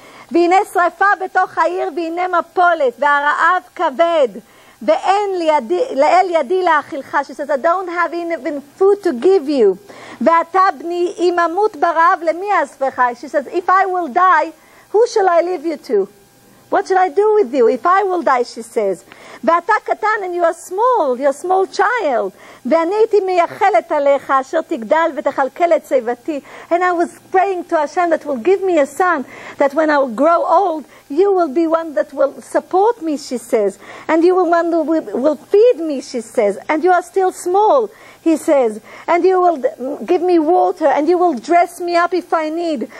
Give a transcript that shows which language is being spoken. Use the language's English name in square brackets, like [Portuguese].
[Hebrew] והנה שריפה בתוך העיר והנה מפולת והרעב כבד ואין לאל ידי להאכילך. [English] She says, I don't have even food to give you. [Hebrew] ואתה בני, אם אמות ברעב, למי אספך? [English] She says, if I will die, who shall I leave you to? What shall I do with you if I will die, she says. [Hebrew] ואתה קטן, [English] and you are small, you are small child. [Hebrew] ואני הייתי מייחלת עליך, אשר תגדל ותחלקל את צוותי. [English] And I was praying to Hashem that will give me a son, that when I will grow old, you will be one that will support me, she says. And you will one that will feed me, she says. And you are still small, he says. And you will give me water, and you will dress me up if I need.